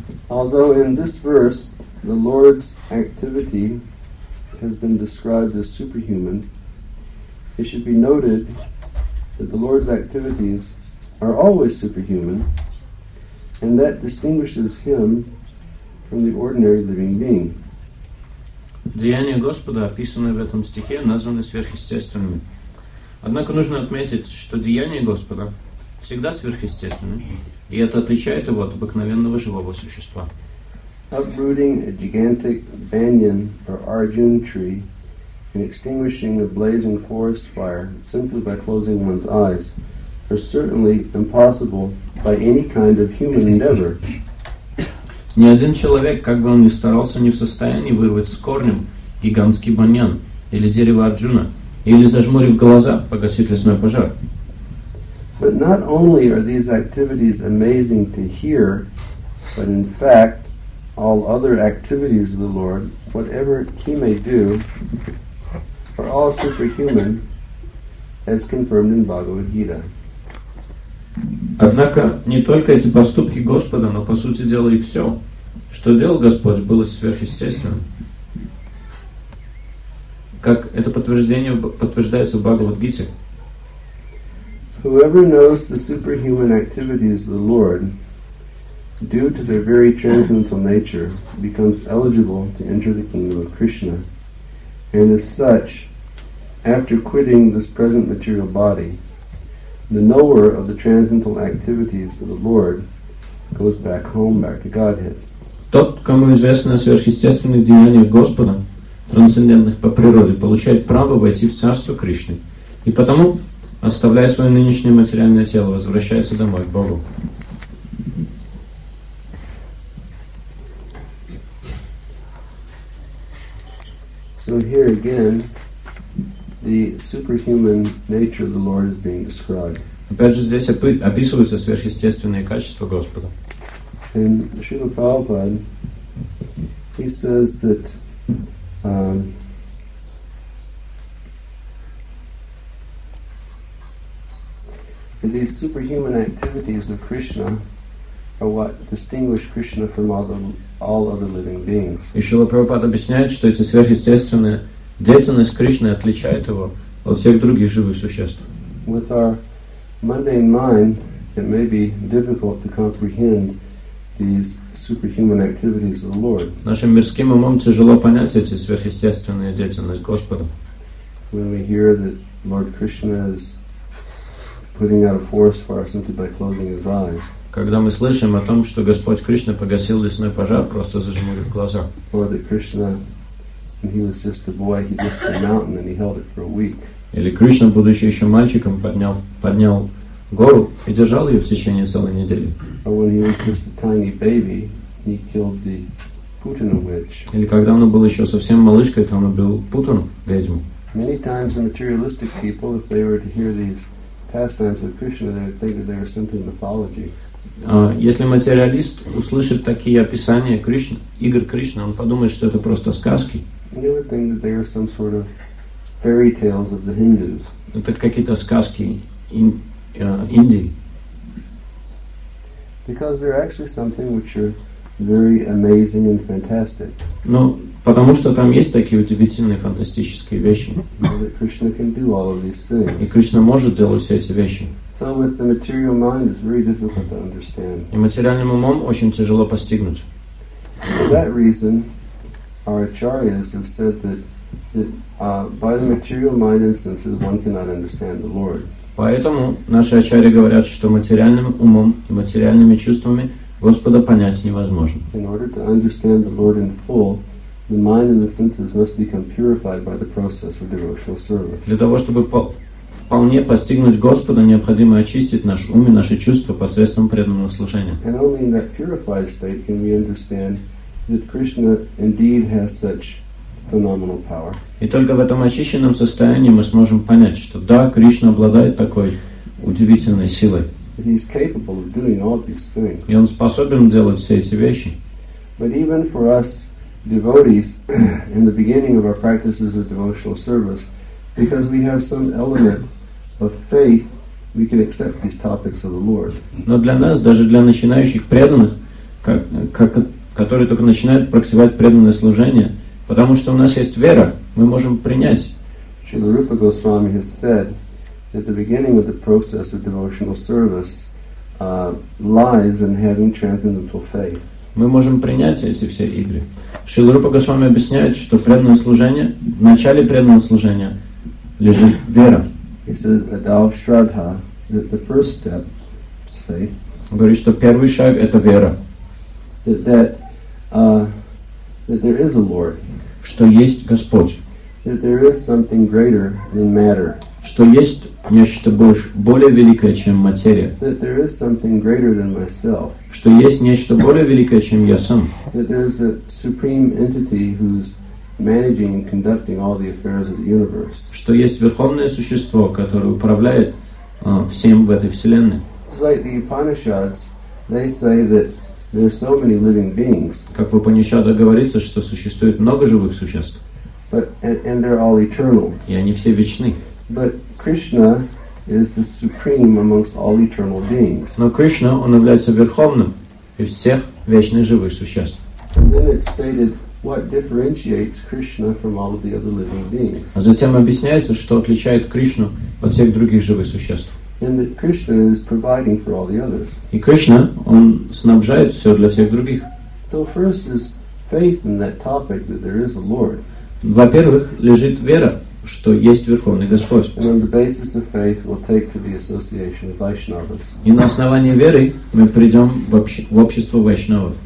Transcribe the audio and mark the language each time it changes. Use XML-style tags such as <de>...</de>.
<en>Although in this verse the Lord's activity has been described as superhuman, it should be noted that the Lord's activities are always superhuman, and that distinguishes him from the ordinary living being.</en> <ru>Деяния Господа, описанные в этом стихе, названы сверхъестественными. Однако нужно отметить, что деяния Господа всегда сверхъестественны, и это отличает его от обыкновенного живого существа.</ru> <en>Uprooting a gigantic banyan or arjun tree and extinguishing a blazing forest fire simply by closing one's eyes are certainly impossible by any kind of human endeavor.</en> <ru>Ни один человек, как бы он ни старался, не в состоянии вырвать с корнем гигантский баньян или дерево Арджуна, или, зажмурив глаза, погасить лесной пожар.</ru> <en>But not only are these activities amazing to hear, but in fact, all other activities of the Lord, whatever he may do, are all superhuman, as confirmed in Bhagavad Gita.</en> <ru>Однако не только эти поступки Господа, но по сути дела и все, что делал Господь, было сверхъестественным. Как это подтверждение подтверждается в Бхагавад-гите.</ru> <en>Whoever knows the superhuman activities of the Lord, due to their very transcendental nature, becomes eligible to enter the kingdom of Krishna. And as such, after quitting this present material body, the knower of the transcendental activities of the Lord goes back home, back to Godhead.</en> <ru>Тот, кому известны сверхъестественные деяния Господа, трансцендентных по природе, получает право войти в царство Кришны, и потому, оставляя свое нынешнее материальное тело, возвращается домой к Богу.</ru> <en>So here again, the superhuman nature of the Lord is being described.</en> <ru>Опять же, здесь описываются сверхъестественные качества Господа.</ru> <en>And Srila Prabhupada, he says that these superhuman activities of Krishna are what distinguish Krishna from all other living beings.</en> <ru>И Srila Prabhupada объясняет, что эти сверхъестественные деятельность Кришны отличает его от всех других живых существ.</ru> <en>With our mundane mind, it may be difficult to comprehend these superhuman activities of the Lord.</en> <ru>Нашим мирским умом тяжело понять эти сверхъестественные деятельность Господа.</ru> <en>When we hear that Lord Krishna is putting out a forest fire simply by closing his eyes.</en> <ru>Когда мы слышим о том, что Господь Кришна погасил лесной пожар, просто зажмурив глаза.</ru> <en>Or that Krishna, when he was just a boy, he lifted a mountain and he held it for a week.</en> <ru>Или Кришна, будучи еще мальчиком, поднял гору и держал ее в течение целой недели.</ru> <en>Or when he was just a tiny baby, he killed the Putana witch.</en> <ru>Или когда он был еще совсем малышкой, то он убил Путану, ведьму.</ru> <en>Many times the materialistic people, if they were to hear these pastimes of Krishna, they would think that they were simply mythology.</en> <ru>Если материалист услышит такие описания Кришна, игр Кришны, он подумает, что это просто сказки. Это какие-то сказки Индии.</ru> <en>Because they're actually something which are very amazing and fantastic.</en> <ru>Ну, потому что там есть такие удивительные фантастические вещи.</ru> <en>Krishna can do all of these things.</en> <ru>И Кришна может делать все эти вещи.</ru> <en>So with the material mind, it's very difficult to understand.</en> <ru>И материальным умом очень тяжело постигнуть.</ru> <en>For that reason, our acharyas have said that by the material mind and senses, one cannot understand the Lord.</en> <ru>Поэтому наши ачарьи говорят, что материальным умом и материальными чувствами Господа понять невозможно.</ru> <en>In order to understand the Lord in full, the mind and the senses must become purified by the process of devotional service.</en> <ru>Для того, чтобы вполне постигнуть Господа, необходимо очистить наш ум и наши чувства посредством преданного служения.</ru> <en>And only in that purified state can we understand that Krishna indeed has such phenomenal power.</en> <ru>И только в этом очищенном состоянии мы сможем понять, что да, Кришна обладает такой удивительной силой.</ru> <en>He is capable of doing all these things.</en> <ru>И он способен делать все эти вещи.</ru> <en>But even for us devotees, in the beginning of our practices of devotional service, because we have some element of faith, we can accept these topics of the Lord.</en> <ru>Но для нас, даже для начинающих преданных, которые только начинают практиковать преданное служение, потому что у нас есть вера, мы можем принять.</ru> <en>Srila Rupa Goswami has said that the beginning of the process of devotional service lies in having transcendental faith.</en> <ru>Мы можем принять эти все игры. Шрила Рупа Госвами объясняет, что преданное служение, в начале преданного служения лежит вера.</ru> <en>He says adav shraddha, that the first step is faith.</en> <ru>Он говорит, что первый шаг — это вера.</ru> <en>That there is a Lord.</en> <ru>Что есть Господь.</ru> <en>That there is something greater than matter.</en> <ru>Что есть нечто более великое, чем материя.</ru> <en>That there is something greater than myself.</en> <ru>Что есть нечто более великое, чем я сам.</ru> <en>That there is a supreme entity who's managing and conducting all the affairs of the universe.</en> <ru>Что есть верховное существо, которое управляет всем в этой вселенной.</ru> <en>It's like the Upanishads, they say that there are so many living beings.</en> <ru>Как в Упанишаде говорится, что существует много живых существ.</ru> <en>But and they're all eternal.</en> <ru>И они все вечны.</ru> <en>But Krishna is the supreme amongst all eternal beings.</en> <ru>Но Кришна, он является верховным из всех вечных живых существ.</ru> <en>And then it's stated what differentiates Krishna from all of the other living beings.</en> <ru>А затем объясняется, что отличает Кришну от всех других живых существ.</ru> <en>And that Krishna is providing for all the others.</en> <ru>И Кришна, он снабжает все для всех других.</ru> <en>So first is faith in that topic that there is a Lord.</en> <ru>Во-первых, лежит вера, что есть Верховный Господь.</ru> <en>On the basis of faith, we'll take to the association of Vaishnavas.</en> <ru>И на основании веры мы придем в общество Вайшнавов.</ru>